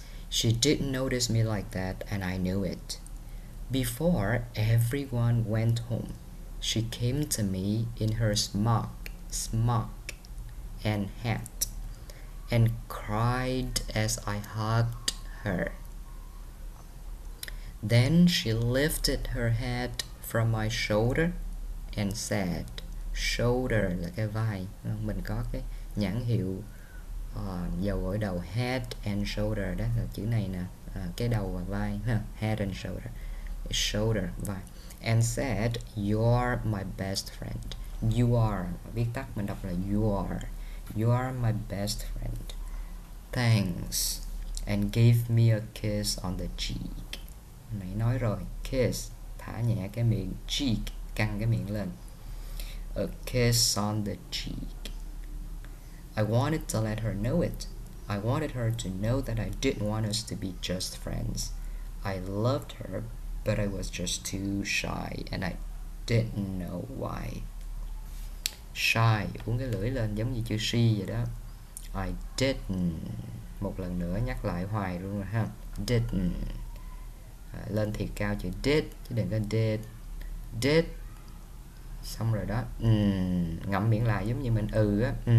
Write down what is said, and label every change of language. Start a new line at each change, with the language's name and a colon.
English: She didn't notice me like that, and I knew it. Before everyone went home, she came to me in her smock and hat, and cried as I hugged her. Then she lifted her head from my shoulder and said,
Vietnamese: shoulder là cái vai, mình có cái nhãn hiệu dầu gội đầu head and shoulder đó, là chữ này nè, cái đầu và vai, head and shoulder, shoulder, vai.
English: And said, you're my best friend. You are,
Vietnamese: viết tắt mình đọc là
English: you are my best friend. Thanks, and gave me a kiss on the cheek.
Vietnamese: Mày nói rồi, kiss, thả nhẹ cái miệng, cheek, căng cái miệng lên.
English: A kiss on the cheek. I wanted to let her know it. I wanted her to know that I didn't want us to be just friends. I loved her, but I was just too shy, and I didn't know why.
Vietnamese: Shy, uống cái lưỡi lên giống như chữ si vậy đó.
English: I didn't.
Vietnamese: Một lần nữa nhắc lại hoài luôn rồi ha. Didn't. Lên thiệt cao chữ did, chứ đừng có did. Did. Xong rồi đó, ngậm miệng lại giống như mình á.